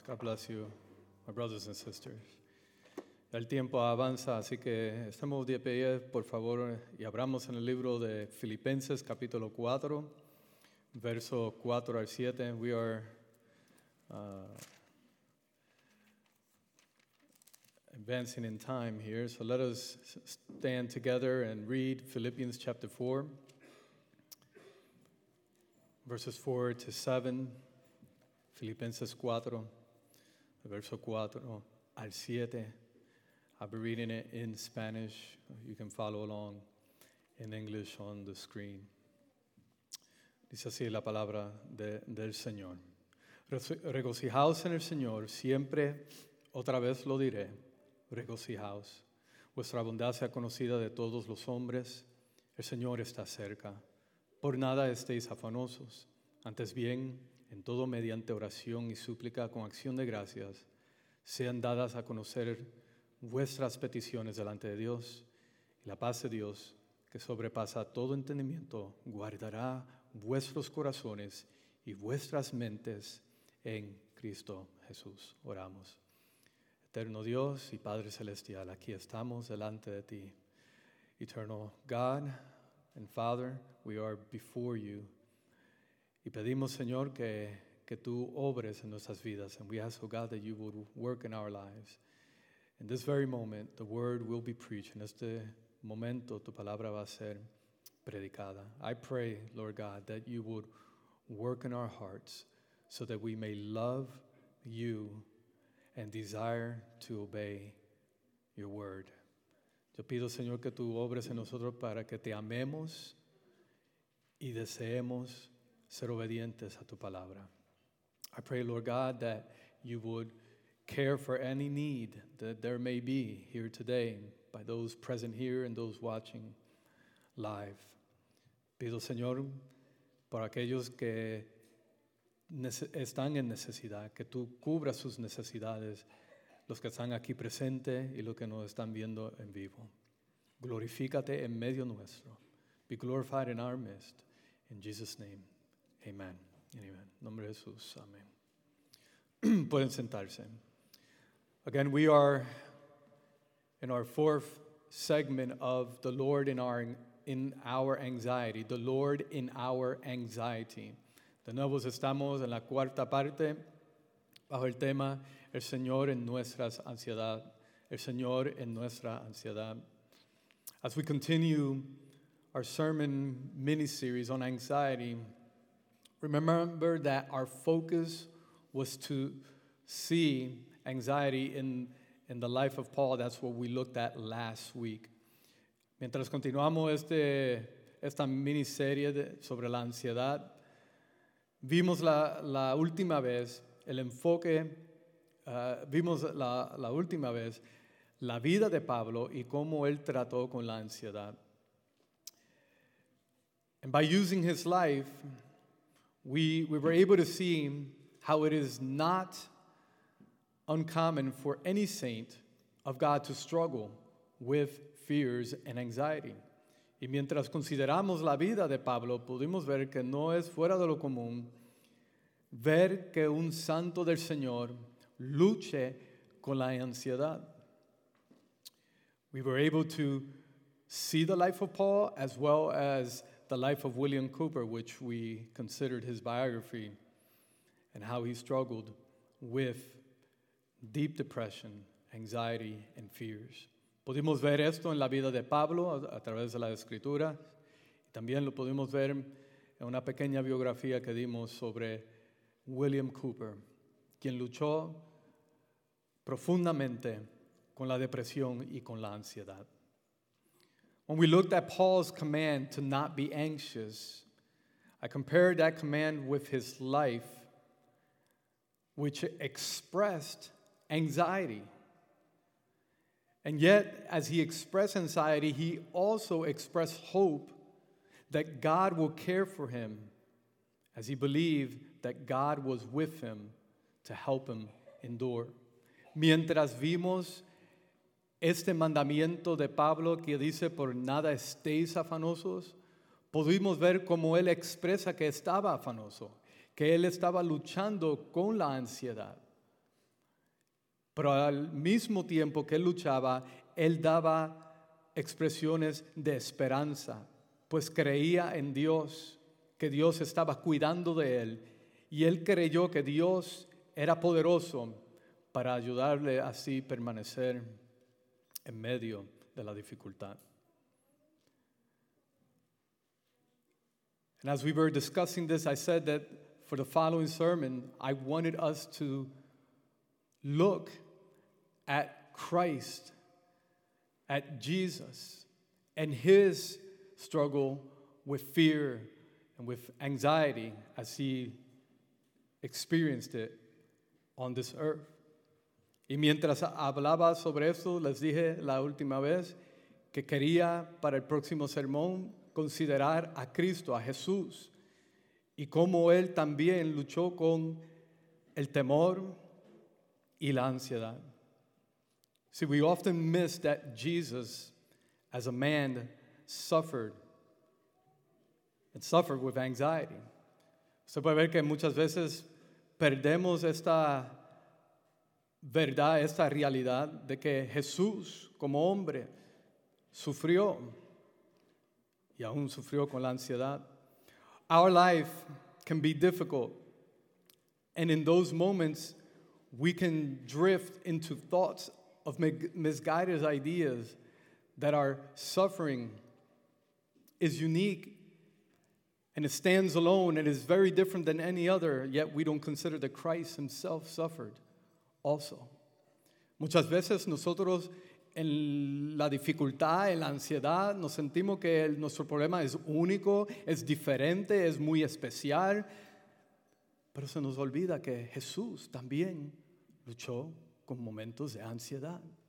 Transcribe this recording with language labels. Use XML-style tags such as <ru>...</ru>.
<en>God bless you, my brothers and sisters.</en> <es>El tiempo avanza, así que estamos de pie, por favor, y abramos en el libro de Filipenses, capítulo 4, verso 4 al 7.</es> <en>We are advancing in time here, so let us stand together and read Philippians chapter 4, verses 4 to 7.</en> <es>Filipenses 4, verso 4 al 7.</es> <en>I'll be reading it in Spanish. You can follow along in English on the screen.</en> <es>Dice así la palabra del Señor. Regocijaos en el Señor, siempre, otra vez lo diré, regocijaos. Vuestra bondad sea conocida de todos los hombres. El Señor está cerca. Por nada estéis afanosos. Antes bien, en todo mediante oración y súplica con acción de gracias, sean dadas a conocer vuestras peticiones delante de Dios. Y la paz de Dios, que sobrepasa todo entendimiento, guardará vuestros corazones y vuestras mentes en Cristo Jesús. Oramos. Eterno Dios y Padre Celestial, aquí estamos delante de ti.</es> <en>Eternal God and Father, we are before you.</en> <es>Y pedimos, Señor, que tú obres en nuestras vidas.</es> <en>And we ask, oh God, that you would work in our lives. In this very moment, the word will be preached.</en> <es>En este momento, tu palabra va a ser predicada.</es> <en>I pray, Lord God, that you would work in our hearts so that we may love you and desire to obey your word.</en> <es>Yo pido, Señor, que tú obres en nosotros para que te amemos y deseemos ser obedientes a tu palabra.</es> <en>I pray, Lord God, that you would care for any need that there may be here today by those present here and those watching live.</en> <es>Pido, Señor, por aquellos que están en necesidad, que tú cubras sus necesidades, los que están aquí presentes y los que nos están viendo en vivo. Glorifícate en medio nuestro.</es> <en>Be glorified in our midst. In Jesus' name. Amen. Amen.</en> <es>Nombre de Jesús. Amen. Pueden sentarse.</es> <en>Again, we are in our fourth segment of the Lord in our anxiety. The Lord in our anxiety.</en> <es>De nuevo, estamos en la cuarta parte bajo el tema El Señor en nuestra ansiedad. El Señor en nuestra ansiedad.</es> <en>As we continue our sermon mini-series on anxiety, remember that our focus was to see anxiety in the life of Paul. That's what we looked at last week.</en> <es>Mientras continuamos esta miniserie sobre la ansiedad, vimos la última vez el enfoque, vimos la última vez la vida de Pablo y cómo él trató con la ansiedad.</es> <en>And by using his life, We were able to see how it is not uncommon for any saint of God to struggle with fears and anxiety.</en> <es>Y mientras consideramos la vida de Pablo, pudimos ver que no es fuera de lo común ver que un santo del Señor luche con la ansiedad.</es> <en>We were able to see the life of Paul as well as the life of William Cooper, which we considered his biography, and how he struggled with deep depression, anxiety, and fears.</en> <es>Pudimos ver esto en la vida de Pablo a través de la escritura. También lo pudimos ver en una pequeña biografía que dimos sobre William Cooper, quien luchó profundamente con la depresión y con la ansiedad.</es> <en>When we looked at Paul's command to not be anxious, I compared that command with his life, which expressed anxiety. And yet, as he expressed anxiety, he also expressed hope that God will care for him, as he believed that God was with him to help him endure.</en> <es>Mientras vimos este mandamiento de Pablo que dice, por nada estéis afanosos, pudimos ver cómo él expresa que estaba afanoso, que él estaba luchando con la ansiedad. Pero al mismo tiempo que él luchaba, él daba expresiones de esperanza, pues creía en Dios, que Dios estaba cuidando de él, y él creyó que Dios era poderoso para ayudarle así a permanecer en medio de la dificultad.</es> <en>And as we were discussing this, I said that for the following sermon, I wanted us to look at Christ, at Jesus, and his struggle with fear and with anxiety as he experienced it on this earth.</en> <es>Y mientras hablaba sobre eso, les dije la última vez que quería para el próximo sermón considerar a Cristo, a Jesús, y cómo él también luchó con el temor y la ansiedad.</es> <en>See, we often miss that Jesus, as a man, suffered with anxiety.</en> <es>Se puede ver que muchas veces perdemos esta verdad, esta realidad de que Jesús, como hombre, sufrió. Y aún sufrió con la ansiedad.</es> <en>Our life can be difficult. And in those moments, we can drift into thoughts of misguided ideas that our suffering is unique and it stands alone and is very different than any other, yet we don't consider that Christ himself suffered also.</en> <es>Muchas veces nosotros en la dificultad, en la ansiedad, nos sentimos que nuestro problema es único, es diferente, es muy especial. Pero se nos olvida que Jesús también luchó con momentos de ansiedad.</es>